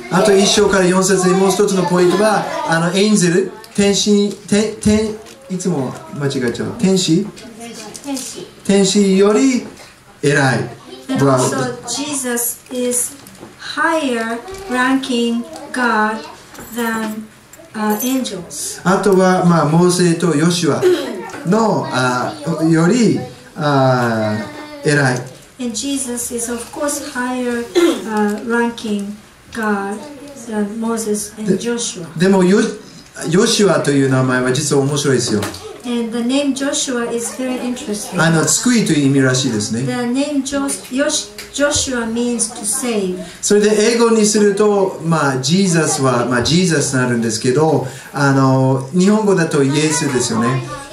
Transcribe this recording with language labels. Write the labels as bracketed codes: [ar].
[ja] あと1章から4節にもう一つのポイントは、あのエンゼル、天使、天、いつも間違えちゃう、天使、天使、天使より偉い。 [en] But also Jesus is higher ranking. God than, angels. [ja] あとは、まあ、モーセとヨシュアのより偉い。 [en] And Jesus is of course higher ranking God than Moses and Joshua. [ja] でもヨシュアという名前は実は面白いですよ。 [en] And the name Joshua is very interesting. [ja] あの、救いという意味らしいですね。 [en] The name Joshua means to save. [ja] それで英語にすると、まあ、ジーザスは、まあ、ジーザスになるんですけど、あの、日本語だとイエスですよね。